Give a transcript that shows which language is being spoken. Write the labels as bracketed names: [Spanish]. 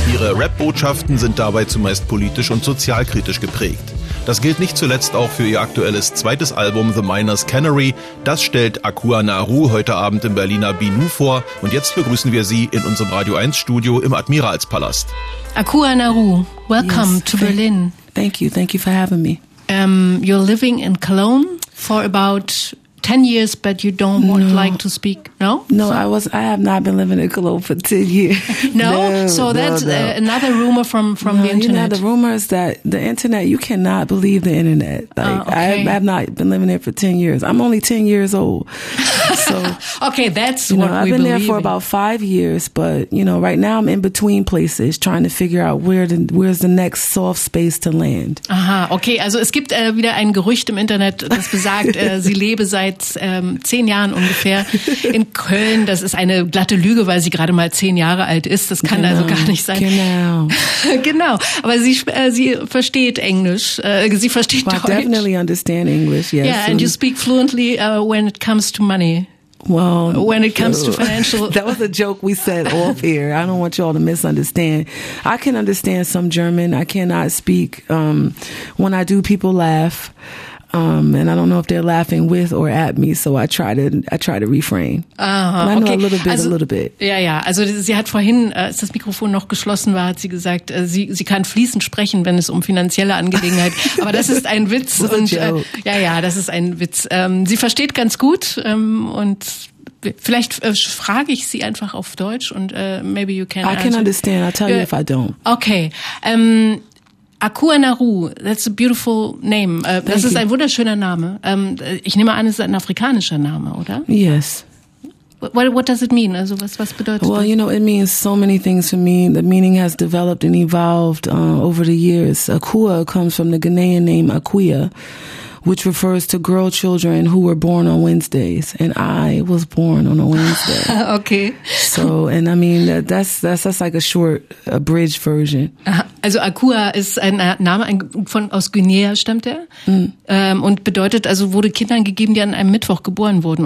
[German] Ihre Rap-Botschaften sind dabei zumeist politisch und sozialkritisch geprägt. Das gilt nicht zuletzt auch für ihr aktuelles zweites Album The Miner's Canary. Das stellt Akua Naru heute Abend im Berliner Binu vor. Und jetzt begrüßen wir sie in unserem Radio 1 Studio im Admiralspalast. [English] Akua Naru, welcome to Berlin. Thank you for having me. You're living in Cologne for about 10 years, but you don't like to speak, no? I have not been living in Cologne for 10 years. Another rumor from the internet. You know, the rumor is that the internet, you cannot believe the internet. I have not been living there for 10 years. I'm only 10 years old. So, okay, that's you know, what I've been believe there for in. About 5 years, but you know, right now I'm in between places, trying to figure out where's the next soft space to land. [German] Aha, okay, also es gibt wieder ein Gerücht im Internet, das besagt, sie lebe seit 10 Jahren ungefähr in Köln. Das ist eine glatte Lüge, weil sie gerade mal 10 Jahre alt ist. Das kann also gar nicht sein. Genau. Genau. Aber sie versteht Englisch. Sie versteht Deutsch. [English] I definitely understand English, yes. Yeah, and you speak fluently when it comes to money. Well, when it comes to financial. That was a joke we said off air. I don't want you all to misunderstand. I can understand some German. I cannot speak. When I do, people laugh. And I don't know if they're laughing with or at me, so I try to refrain. Uh-huh. I know okay. a little bit. [German] Ja. Also sie hat vorhin, als das Mikrofon noch geschlossen war, hat sie gesagt, sie kann fließend sprechen, wenn es um finanzielle Angelegenheiten geht. Aber das ist ein Witz. Das ist ein Witz. Sie versteht ganz gut und vielleicht frage ich sie einfach auf Deutsch und [English] maybe you can answer. I can understand. I'll tell you if I don't. Okay. Akua Naru, that's a beautiful name. [German] Das ist ein wunderschöner Name. Ich nehme an, es ist ein afrikanischer Name, oder? [English] Yes. What does it mean? [German] Also was bedeutet das? [English] Well, you know, it means so many things to me. The meaning has developed and evolved over the years. Akua comes from the Ghanaian name Akuya, which refers to girl children who were born on Wednesdays. And I was born on a Wednesday. Okay. So, and I mean, that's like a short, abridged version. [German] Also Akua ist ein Name, aus Guinea stammt er. Mm. Und bedeutet, also wurde Kindern gegeben, die an einem Mittwoch geboren wurden.